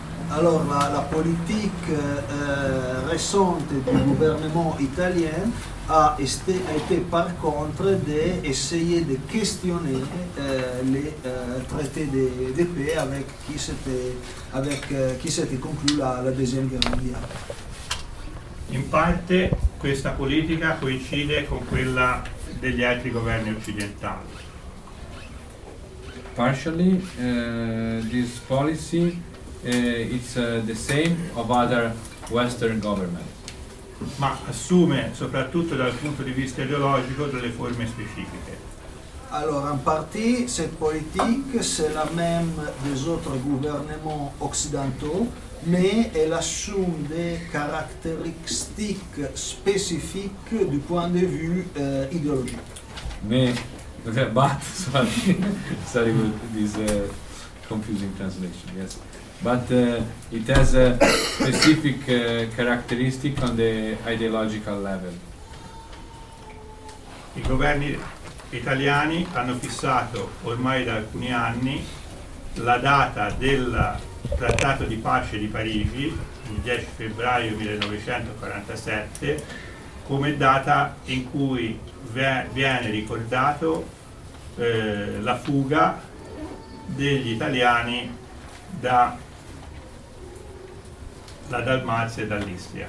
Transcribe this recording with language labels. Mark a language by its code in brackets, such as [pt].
[fr] Alors la, la politique récente du gouvernement italien a, este, a été par contre d'essayer de questionner les traités de paix avec qui s'était avec qui s'était conclu la, la deuxième guerre mondiale. [it] In parte questa politica coincide con quella degli altri governi occidentali. [en] Partially, this policy it's the same of other Western governments. [it] Ma assume soprattutto dal punto di vista ideologico delle forme specifiche. [fr] Allora, en partie, cette politique c'est la même des autres gouvernements occidentaux, mais elle assume des caractéristiques spécifiques du point de vue idéologique. [en] Mais but sorry with this confusing translation. Yes, but it has a specific characteristic on the ideological level. [it] I governi italiani hanno fissato ormai da alcuni anni la data del Trattato di pace di Parigi, il 10 febbraio 1947, come data in cui viene ricordato la fuga degli italiani da la Dalmazia e dall'Istria